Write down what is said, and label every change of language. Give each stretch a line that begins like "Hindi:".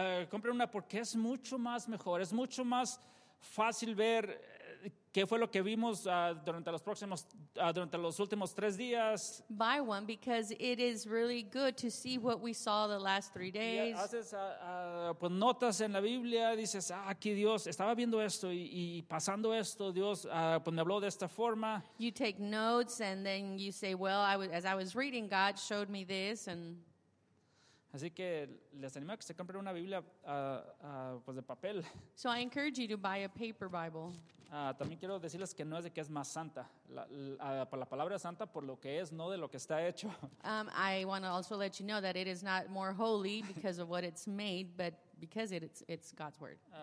Spanish: Compren una porque es mucho más mejor, es mucho más fácil ver qué fue lo que vimos durante los últimos tres días.
English: Buy one because it is really good to see what we saw the last three days.
Spanish: Y haces pues notas en la Biblia, dices, aquí Dios estaba viendo esto y pasando esto, Dios pues me habló de esta forma.
English: You take notes and then you say, well, as I was reading, God showed me this. And
Spanish: así que les animo a que se compren una Biblia pues de papel.
English: So I encourage you to buy a paper Bible.
Spanish: También quiero decirles que no es de que es más santa. La palabra es santa por lo que es, no de lo que está hecho.
English: I want to also let you know that it is not more holy because of what it's made, but because it's God's word.